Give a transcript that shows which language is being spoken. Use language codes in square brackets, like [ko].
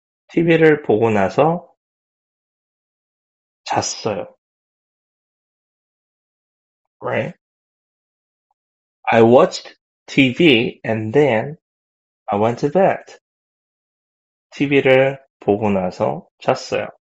[ko] TV를 보고 나서 잤어요. [en] Right? I watched TV and then I went to bed. [ko] TV를 보고 나서 잤어요.